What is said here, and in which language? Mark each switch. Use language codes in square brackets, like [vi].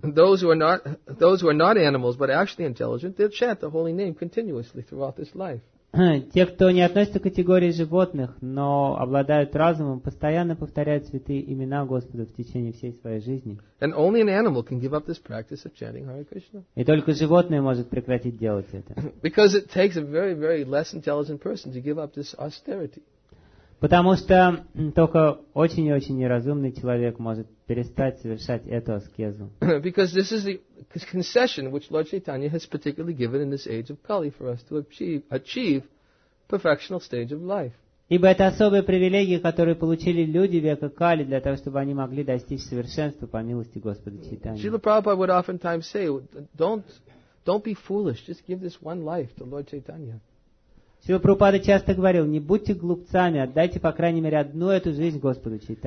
[en] those who are not animals, but actually intelligent, they'll chant the holy name continuously throughout this life. [ru] Те, кто не относится к категории животных, но обладают разумом, постоянно повторяют святые имена Господа в течение всей своей жизни. [en] And only an animal can give up this practice of chanting Hare Krishna. [ru] И только животное может прекратить делать это. [en] Because it takes a very, very less intelligent person to give up this austerity. [ru] Потому что только очень и очень неразумный человек может перестать совершать эту аскезу. [en] Because this is the concession which Lord Chaitanya has particularly given in this age of Kali for us to achieve perfectional stage of life. [ru] Ибо это особые привилегии, которые получили люди века Кали для того, чтобы они могли достичь совершенства по милости Господа Чайтаньи. [en] Srila Prabhupada would oftentimes say, don't be foolish, just give this one life to Lord Chaitanya. [ru] Сила Прабхупада часто говорил, не будьте глупцами, отдайте, по крайней мере, одну эту жизнь Господу